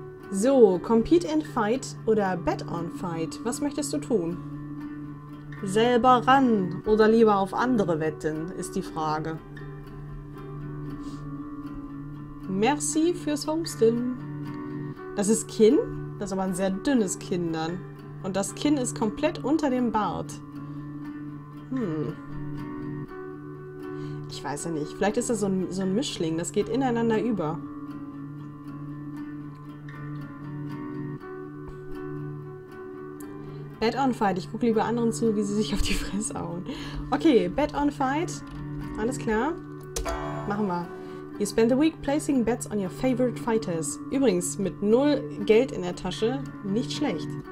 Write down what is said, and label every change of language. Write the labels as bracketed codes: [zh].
[en] So, compete and fight oder bet on fight. [de] Was möchtest du tun? Selber ran oder lieber auf andere wetten, ist die Frage. Merci fürs Hosten. Das ist Kinn? Das ist aber ein sehr dünnes Kinn dann. Und das Kinn ist komplett unter dem Bart. Ich weiß ja nicht. Vielleicht ist das so ein Mischling. Das geht ineinander über. [en] Bet on fight. [de] Ich gucke lieber anderen zu, wie sie sich auf die Fresse hauen. [en] Okay, bet on fight. [de] Alles klar. Machen wir. [en] You spend the week placing bets on your favorite fighters. [de] Übrigens, mit null Geld in der Tasche, nicht schlecht.